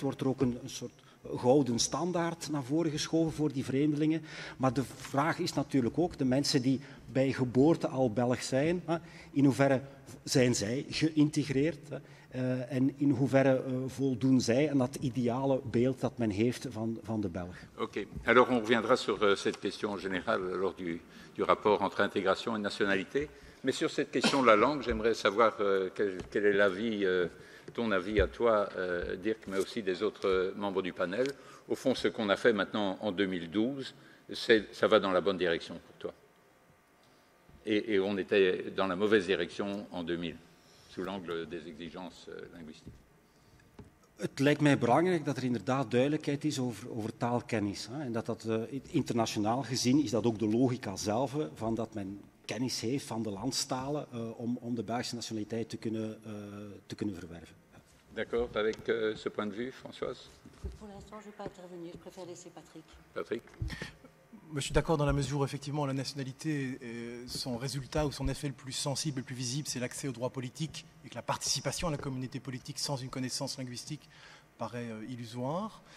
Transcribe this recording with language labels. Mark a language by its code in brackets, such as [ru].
[nl] Wordt er ook een soort gouden standaard naar voren geschoven voor die vreemdelingen. Maar de vraag is natuurlijk ook, de mensen die bij geboorte al Belg zijn, in hoeverre zijn zij geïntegreerd? En in hoeverre voldoen zij aan dat ideale beeld dat men heeft van de Belg? Oké. [fr] Alors on reviendra sur cette question générale lors du rapport entre intégration et nationalité. Mais sur cette question de la langue, j'aimerais savoir quel est l'avis, ton avis à toi, Dirk, mais aussi des autres membres du panel. Au fond, ce qu'on a fait maintenant en 2012, ça va dans la bonne direction pour toi. Et on était dans la mauvaise direction en 2000, sous l'angle des exigences linguistiques. [nl] Het lijkt mij belangrijk dat er inderdaad duidelijkheid is over taalkennis. Hè, en dat internationaal gezien is dat ook de logica zelf van dat men kennis heeft van de landstalen om de Belgische nationaliteit te kunnen verwerven. [fr] D'accord, avec ce point de vue, Françoise? Pour l'instant, je ne vais pas intervenir, je préfère laisser Patrick. Patrick? Je suis d'accord dans la mesure où, effectivement, la nationalité, son résultat ou son effet le plus sensible et le plus visible, c'est l'accès aux droits politiques et que la participation à la communauté politique sans une connaissance linguistique paraît illusoire.